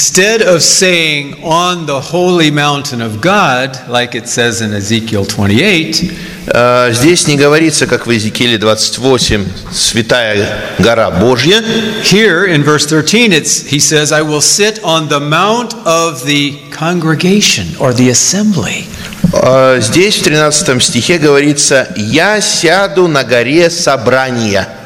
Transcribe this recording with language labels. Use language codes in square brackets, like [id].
[en] Instead of saying on the holy mountain of God, like it says in Ezekiel 28, [ru] здесь не говорится, как в Иезекииле 28, святая гора Божья. [en] Here in verse 13, he says, I will sit on the mount of the congregation or the assembly. [ru] Здесь в 13 стихе говорится, я сяду на горе собрания.